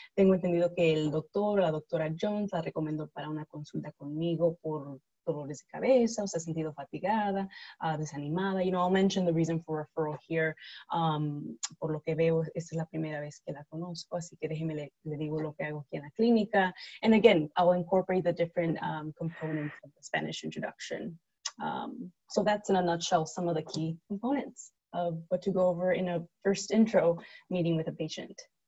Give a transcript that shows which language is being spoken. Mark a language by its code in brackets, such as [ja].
[es] Tengo entendido que el doctor o la doctora Jones la recomendó para una consulta conmigo por dolores de cabeza, o se ha sentido fatigada, desanimada. [en] You know, I'll mention the reason for referral here. [es] Por lo que veo, esta es la primera vez que la conozco, así que déjeme le digo lo que hago aquí en la clínica. [en] And again, I'll incorporate the different components of the Spanish introduction. So that's in a nutshell some of the key components of what to go over in a first intro meeting with a patient.